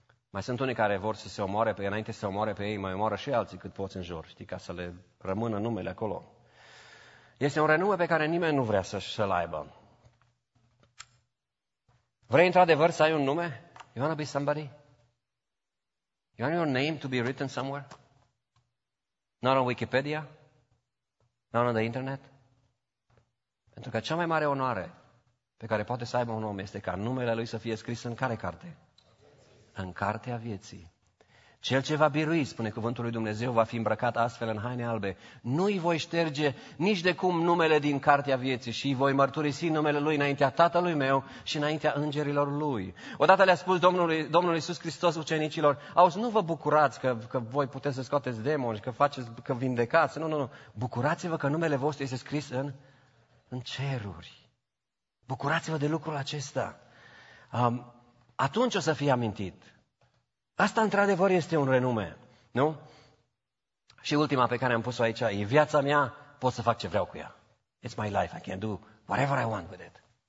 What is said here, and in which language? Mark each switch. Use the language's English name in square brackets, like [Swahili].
[Romanian] Mai sunt unii care vor să se omoare, înainte să se omoare pe ei, mai omoară și alții cât poți în jur, știi, ca să le rămână numele acolo. Este un renume pe care nimeni nu vrea să-l aibă. Vrei într-adevăr să ai un nume? [English] You want to be somebody? You want your name to be written somewhere? Not on Wikipedia? Not on the internet? [Romanian] Pentru că cea mai mare onoare pe care poate să aibă un om este ca numele lui să fie scris în care carte? În cartea vieții. Cel ce va birui, spune cuvântul lui Dumnezeu, va fi îmbrăcat astfel în haine albe. Nu-i voi șterge nici de cum numele din cartea vieții și îi voi mărturisi numele lui înaintea tatălui meu și înaintea îngerilor lui. Odată le-a spus Domnul Iisus Hristos ucenicilor, auzi, nu vă bucurați că voi puteți să scoateți demoni, că vindecați. Nu. Bucurați-vă că numele vostru este scris în ceruri. Bucurați-vă de lucrul acesta. Atunci o să fie amintit. Asta, într-adevăr, este un renume, nu? Și ultima pe care am pus-o aici, e viața mea, pot să fac ce vreau cu ea. [English] It's my life, I can do whatever I want with it.